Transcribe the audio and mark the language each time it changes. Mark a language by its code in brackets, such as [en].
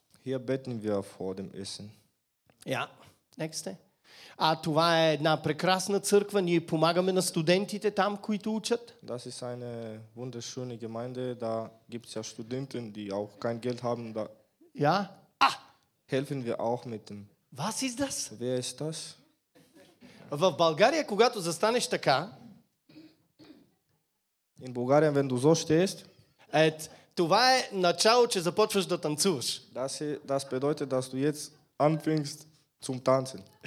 [de] Hier beten wir vor dem Essen. [en] Ja, next. [bg] Това е една прекрасна църква. Ние помагаме на студентите там, които учат. [de] Das ist eine wunderschöne Gemeinde. Da gibt's ja Studenten, die auch kein Geld haben. Da ja? Helfen wir auch mit dem. Was ist das? Wer ist das? [bg] В България, когато застанеш така, [de] in Bulgarien, wenn du so stehst, [bg] това е начало, че започваш да танцуваш. [de] Das bedeutet, dass du jetzt anfängst, zum Tanzen.